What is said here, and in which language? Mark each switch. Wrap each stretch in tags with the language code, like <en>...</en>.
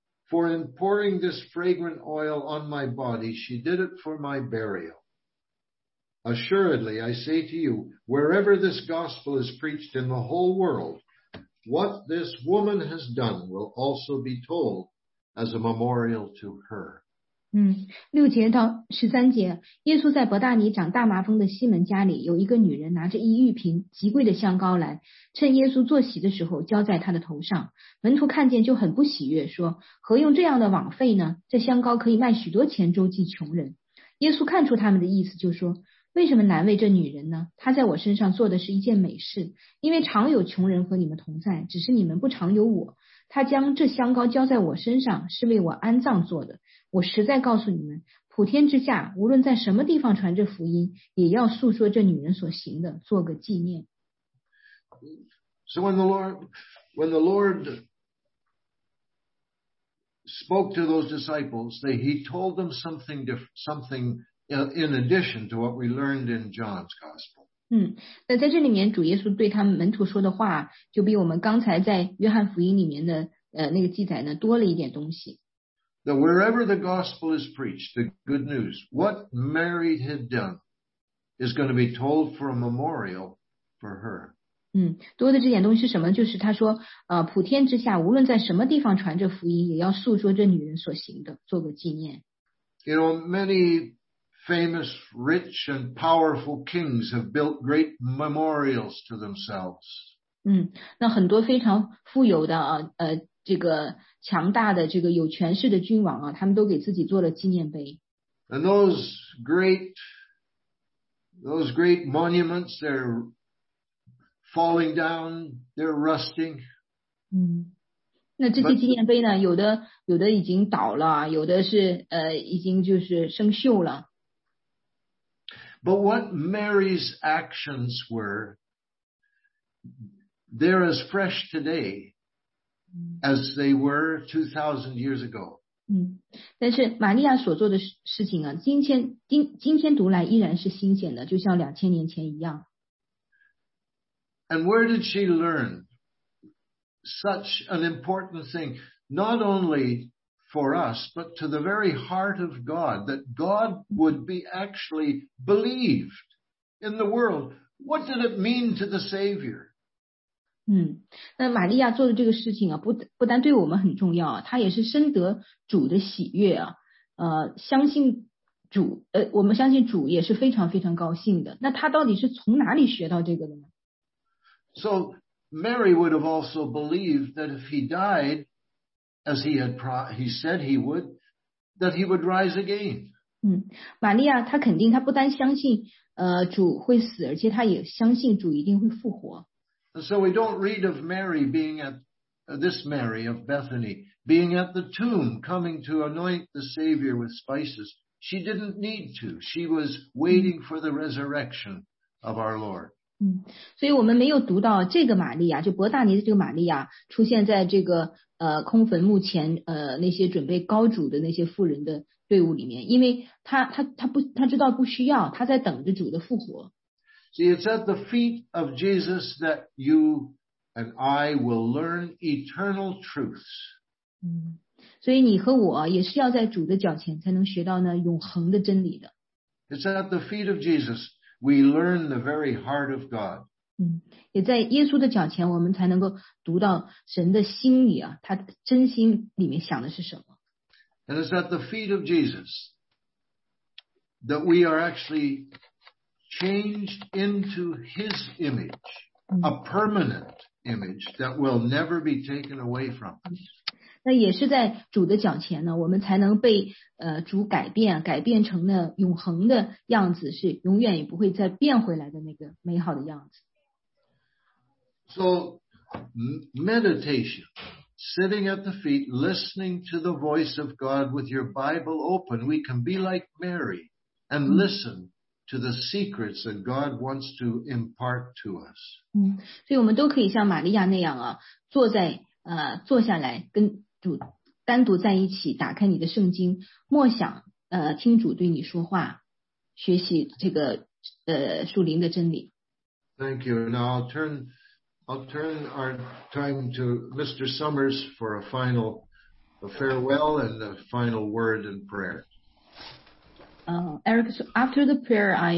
<en>For in pouring this fragrant oil on my body, she did it for my burial. Assuredly, I say to you, wherever this gospel is preached in the whole world, what this woman has done will also be told as a memorial to her.</en> <zh>六节到十三节，耶稣在伯大尼长大麻风的西门家里，有一个女人拿着一玉瓶极贵的香膏来，趁耶稣坐席的时候浇在他的头上。门徒看见就很不喜悦，说：何用这样的枉费呢？这香膏可以卖许多钱周济穷人。耶稣看出他们的意思，就说：为什么难为这女人呢？她在我身上做的是一件美事，因为常有穷人和你们同在，只是你们不常有我。她将这香膏浇在我身上，是为我安葬做的。我实在告诉你们，普天之下，无论在什么地方传这福音，也要诉说这女人所行的，做个纪念。</zh> <en>So when the Lord spoke to those disciples, he told them something in addition to what we learned in John's gospel.</en> <zh>那在这里面，主耶稣对他们门徒说的话，就比我们刚才在约翰福音里面的那个记载呢，多了一点东西。</zh> <en>That wherever the gospel is preached, the good news, what Mary had done is going to be told for a memorial for her.</en> <zh>多的这点东西是什么？就是他说，普天之下，无论在什么地方传这福音，也要诉说这女人所行的，做个纪念。</zh> <en>You know, many famous, rich, and powerful kings have built great memorials to themselves.</en> <zh>那很多非常富有的这个强大的这个有权势的君王啊，他们都给自己做了纪念碑。</zh> <en>And those great monuments, they're falling down, they're rusting.</en> <zh>那这些纪念碑呢？有的已经倒了，有的是已经就是生锈了。</zh> <en>But what Mary's actions were, they're as fresh today. As they were 2,000 years ago.</en> <zh>但是玛利亚所做的事情啊，今天读来依然是新鲜的，就像2000年前一样。</zh> <en>And where did she learn such an important thing, not only for us, but to the very heart of God, that God would be actually believed in the world? What did it mean to the Savior?</en> <zh>那玛利亚做的这个事情啊，不单对我们很重要啊，她也是深得主的喜悦啊，相信主，我们相信主也是非常非常高兴的。那她到底是从哪里学到这个的呢？</zh> <en>So Mary would have also believed that if he died as he said he would, that he would rise again.</en> <zh>玛利亚她肯定，她不单相信主会死，而且她也相信主一定会复活。</zh> <en>And so we don't read of Mary being at, this Mary of Bethany, being at the tomb coming to anoint the Savior with spices. She didn't need to. She was waiting for the resurrection of our Lord.</en> <zh>所以我们没有读到这个玛利亚，就伯大尼的这个玛利亚出现在这个空坟墓前那些准备高主的那些妇人的队伍里面，因为她知道不需要，她在等着主的复活。</zh> <en>See, it's at the feet of Jesus that you and I will learn eternal truths.</en> <zh>所以你和我也是要在主的脚前才能学到那永恒的真理的。</zh> <en>It's at the feet of Jesus we learn the very heart of God.</en> <zh>也在耶稣的脚前我们才能够读到神的心里啊，他真心里面想的是什么。</zh> <en>And it's at the feet of Jesus that we are actually changed into his image, a permanent image that will never be taken away from us.</en> <zh>那也是在主的脚前呢，我们才能被主改变，改变成那永恒的样子，是永远也不会再变回来的那个美好的样子。</zh> <en>So, meditation, sitting at the feet, listening to the voice of God with your Bible open, we can be like Mary and listen to the secrets that God wants to impart to us.</en> <zh>所以我们都可以像玛利亚那样啊，坐下来跟主单独在一起，打开你的圣经，默想听主对你说话，学习这个属灵的真理。</zh> <en>Thank you. Now I'll turn our time to Mr. Summers for a farewell and a final word in prayer. Eric, so after the prayer,</en>